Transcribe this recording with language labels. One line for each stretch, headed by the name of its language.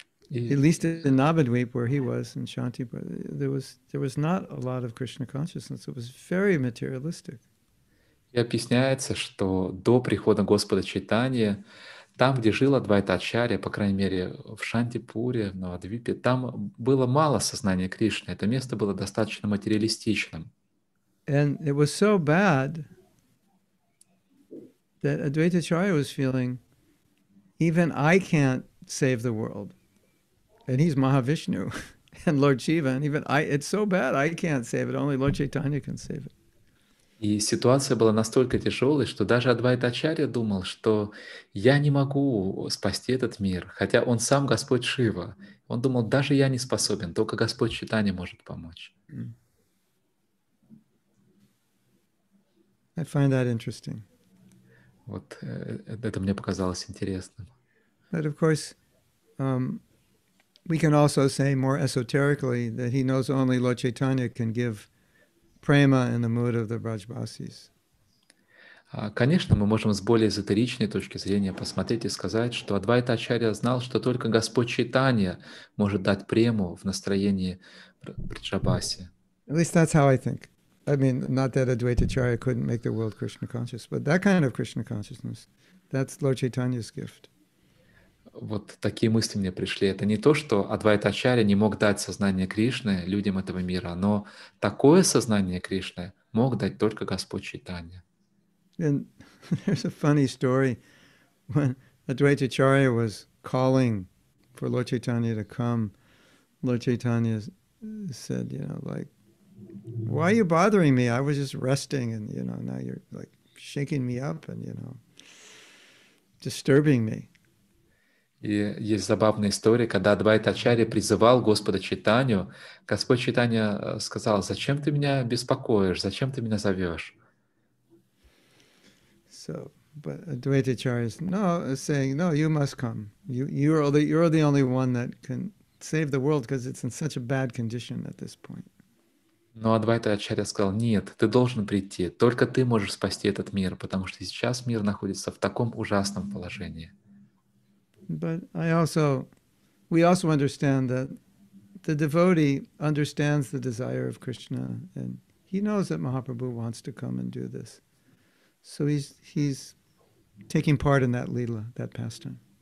English: At least in Navadvipa, where he was, in Shantipur, there was not a lot of Krishna consciousness. It was very materialistic.
Russian: И объясняется, что до прихода Господа Чайтаньи, там, где жил Адвайта Ачарья, по крайней мере, в Шантипуре, в Навадвипе, там было мало сознания Кришны. Это место было достаточно материалистичным.
English: And it was so bad that Advaita Acharya was feeling, even I can't save the world. And he's Mahavishnu and Lord Shiva, and even I, it's so bad, I can't save it, only Lord Chaitanya can save it.
Russian: И ситуация была настолько тяжелой, что даже Адвайта Ачарья думал, что я не могу спасти этот мир, хотя он сам Господь Шива. Он думал, даже я не способен, только Господь Чайтанья может помочь.
English: I find that interesting.
Russian: Вот это мне показалось интересным.
English: But of course, we can also say more esoterically that he knows only Lord Chaitanya can give prema in the mood of the Brajbasis.
Russian: Конечно, мы можем с более эзотеричной точки зрения посмотреть и сказать, что Адвайта Ачарья знал, что только Господь Чайтанья может дать прему в настроении Браджабаси.
English: At least that's how I think. I mean, not that Advaita Acharya couldn't make the world Krishna conscious, but that kind of Krishna consciousness, that's Lord Chaitanya's gift.
Russian: Вот такие мысли мне пришли. Это не то, что Адвайта Ачарья не мог дать сознание Кришны людям этого мира, но такое сознание Кришны мог дать только Господь Чайтанья.
English: And there's a funny story when Advaita Acharya was calling for Lord Chaitanya to come. Lord Chaitanya said, you know, like, why are you bothering me? I was just resting, and you know, now you're like shaking me up and, you know, disturbing me.
Russian: И есть забавная история, когда Адвайта Ачарья призывал Господа Чайтанью. Господь Чайтанья сказал: «Зачем ты меня беспокоишь? Зачем ты меня зовешь?»
English: So, but Advaita Acharya is no saying, no, you must come. You're the only one that can save the world, because it's in such a bad condition at this point.
Russian: Но Адвайта Ачарья сказал: «Нет, ты должен прийти. Только ты можешь спасти этот мир, потому что сейчас мир находится в таком ужасном положении».
English: But we also understand that the devotee understands the desire of Krishna, and he knows that Mahaprabhu wants to come and do this. So he's taking part in that lila, that pastime.